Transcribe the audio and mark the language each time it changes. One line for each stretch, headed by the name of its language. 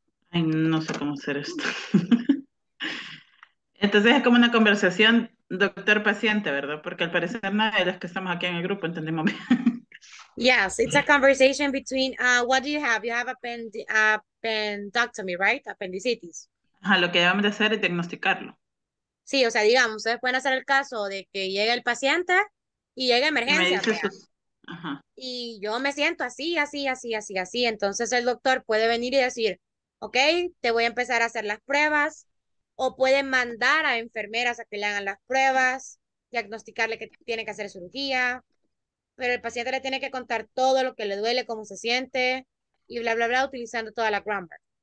Spanish: Ay, no sé cómo hacer esto. Entonces es como una conversación doctor-paciente, ¿verdad? Porque al parecer nadie de los que estamos aquí en el grupo entendemos bien.
English: Yes, it's a conversation between, what do you have? You have appendectomy, right? Appendicitis.
Spanish: Ajá, lo que debemos de hacer es diagnosticarlo. Sí, o sea, digamos, ustedes pueden hacer el caso de que llegue el paciente y llegue emergencia. Ajá. Y yo me siento así, así, así, así, así. Entonces el doctor puede venir y decir, ok, te voy a empezar a hacer las pruebas, o puede mandar a enfermeras a que le hagan las pruebas, diagnosticarle que tiene que hacer cirugía, pero el paciente le tiene que contar todo lo que le duele, cómo se siente, y bla, bla, bla, utilizando toda la grammar.